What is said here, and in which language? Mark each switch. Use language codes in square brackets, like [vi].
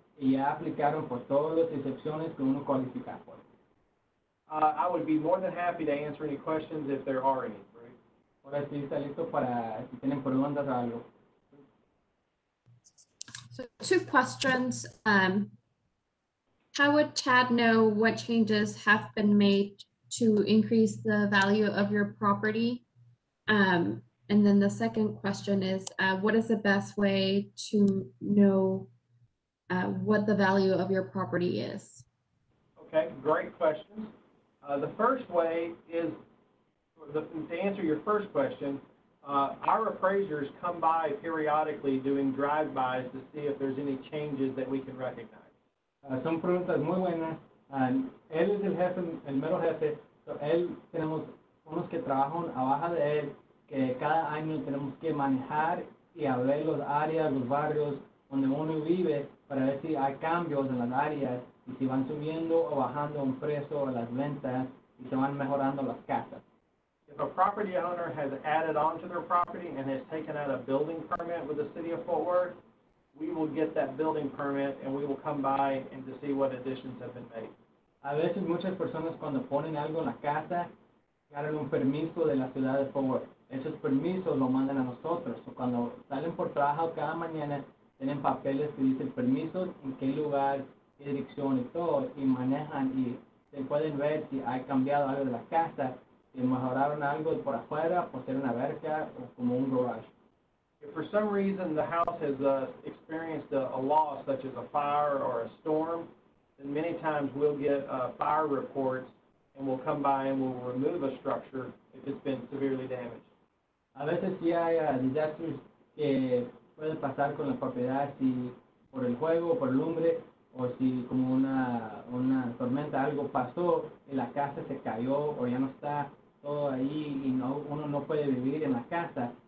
[es] Y ya aplicaron por todas las excepciones que uno cualifica por. [en] I would be more than happy to answer any questions if there are any. Right? [es] Ahora sí, está listo para si tienen preguntas o algo. [en] So two questions. How would Chad know what changes have been made to increase the value of your property? And then the second question is, what is the best way to know what the value of your property is? Okay, great questions. The first way is, to answer your first question, our appraisers come by periodically doing drive-bys to see if there's any changes that we can recognize. [es] Son preguntas muy buenas. Él es el jefe, el mero jefe. So, él, tenemos unos que trabajan abajo de él, que cada año tenemos que manejar y a ver los áreas, los barrios donde uno vive para ver si hay cambios en las áreas y si van subiendo o bajando un precio o las ventas y se van mejorando las casas. [en] If a property owner has added on to their property and has taken out a building permit with the city of Fort Worth, we will get that building permit and we will come by and to see what additions have been made. [es] A veces muchas personas cuando ponen algo en la casa, ganan un permiso de la ciudad de Fort Worth. Esos permisos lo mandan a nosotros. So, cuando salen por trabajo cada mañana, tienen papeles que dicen permisos, en qué lugar, qué dirección y todo, y manejan y se pueden ver si ha cambiado algo de la casa. y mejoraron algo por afuera, poner una verja o como un garage. [en] If for some reason the house has experienced a loss, such as a fire or a storm, then many times we'll get fire reports and we'll come by and we'll remove a structure if it's been severely damaged. [es] A veces sí hay desastres que pueden pasar con la propiedad, si por el fuego, por lumbre, o si como una tormenta, algo pasó, y la casa se cayó, o ya no está todo ahí, y no, uno no puede vivir en la casa.